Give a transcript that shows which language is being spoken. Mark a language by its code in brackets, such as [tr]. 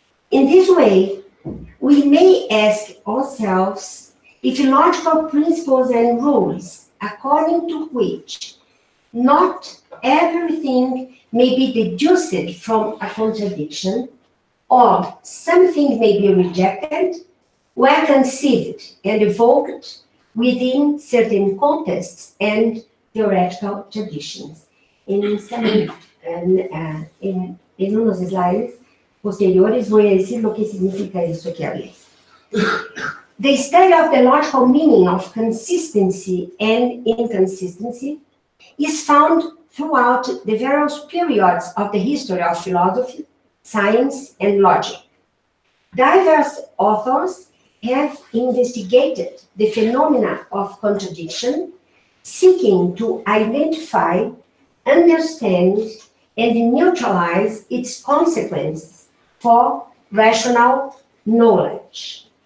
[en] In this way, we may ask ourselves if logical principles and rules, according to which not everything may be deduced from a contradiction, or something may be rejected, were conceived and evoked within certain contexts and theoretical traditions. [es] En unos slides posteriores voy a decir lo que significa eso que hablé. [en] The study of the logical meaning of consistency and inconsistency is found throughout the various periods of the history of philosophy, science, and logic. Diverse authors have investigated the phenomena of contradiction, seeking to identify, understand, and neutralize its consequences for rational knowledge.